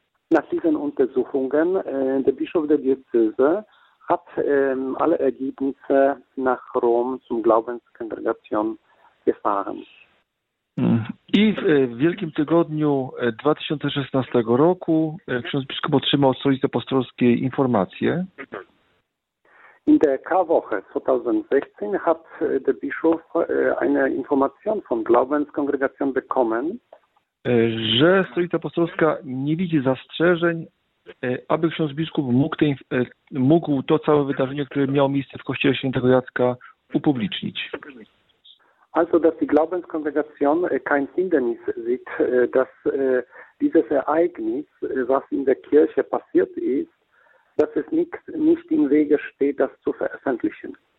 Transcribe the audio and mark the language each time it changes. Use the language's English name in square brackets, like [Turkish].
[German] Nach diesen Untersuchungen der Bischof der Diözese hat alle Ergebnisse nach Rom zum Glaubenskongregation gefahren. [Polish] I w Wielkim Tygodniu 2016 roku ksiądz biskup otrzymał od Solicy Apostolskiej informację. [German] In der Karwoche 2016 hat der Bischof eine Information von Glaubenskongregation bekommen, [Polish] że Solicy Apostolska nie widzi zastrzeżeń, aby ksiądz biskup mógł to całe wydarzenie, które miało miejsce w Kościele Świętego Jacka, upublicznić. [German] Also, dass die Glaubenskongregation kein Hindernis sieht, dass dieses Ereignis, was in der Kirche passiert ist, dass es nicht im Wege steht, das zu veröffentlichen.